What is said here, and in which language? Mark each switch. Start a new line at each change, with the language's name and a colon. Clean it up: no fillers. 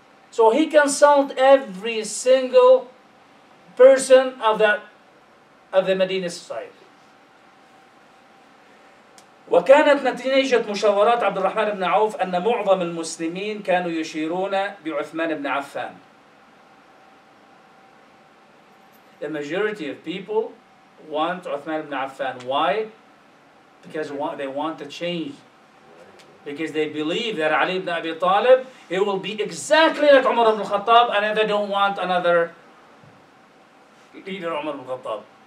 English: So he consulted every single person of the Medina society.
Arabic: وكانت نتيجة مشاورات عبد الرحمن بن عوف أن معظم المسلمين كانوا يشيرون بعثمان بن عفان.
English: The majority of people want Uthman ibn Affan. Why? Because they want to change. Because they believe that Ali ibn Abi Talib, he will be exactly like Umar ibn Khattab, and they don't want another leader Umar ibn Khattab.